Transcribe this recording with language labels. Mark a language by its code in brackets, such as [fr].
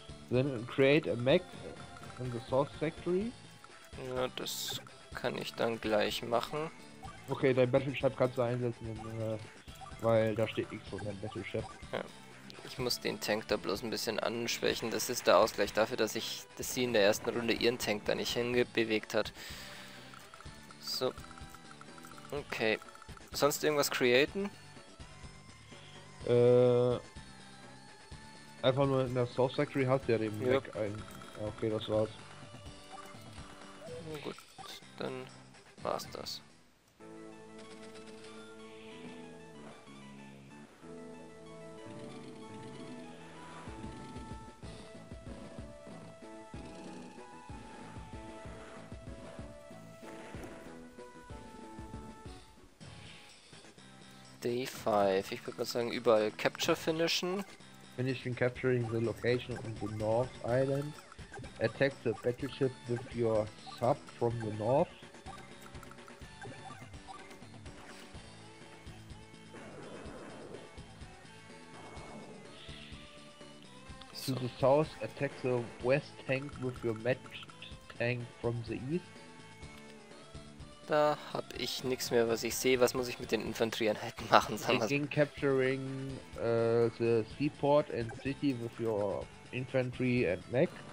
[en] Then create a mech in the Source Factory. [de] Ja, das kann ich dann gleich machen. Okay, dein Battleship kannst du einsetzen, weil da steht X von deinem Battleship. Ja. Ich muss den Tank da bloß ein bisschen anschwächen. Das ist der Ausgleich dafür, dass sie in der ersten Runde ihren Tank da nicht hingebewegt hat. So. Okay. Sonst irgendwas createn? Einfach nur in der South Factory hat der den Weg ein. Okay, das war's. Gut, dann war's das. D5. Ich würde mal sagen, überall Capture finishen. [en] Finishing capturing the location on the North Island. Attack the battleship with your sub from the North. So. To the South, attack the West Tank with your matched Tank from the East. [de] Da hab ich nichts mehr, was ich sehe. Was muss ich mit den Infanterieeinheiten machen? [en] Begin capturing the seaport and city with your infantry and mech.